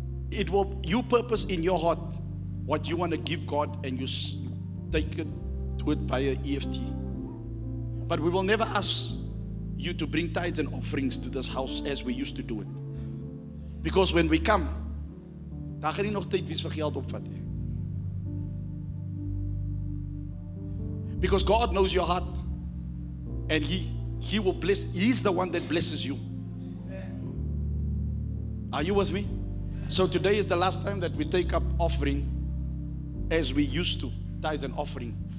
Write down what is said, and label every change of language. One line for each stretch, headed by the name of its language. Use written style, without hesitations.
English: It will, you purpose in your heart what you want to give God, and you take it with by an EFT. But we will never ask you to bring tithes and offerings to this house as we used to do it. Because when we come,
Afrikaans: daar gaan nie nog tyd wees vir geld opvat.
English: Because God knows your heart, and he will bless. He's the one that blesses you. Are you with me? So today is the last time that we take up offering as we used to, tithes and offering.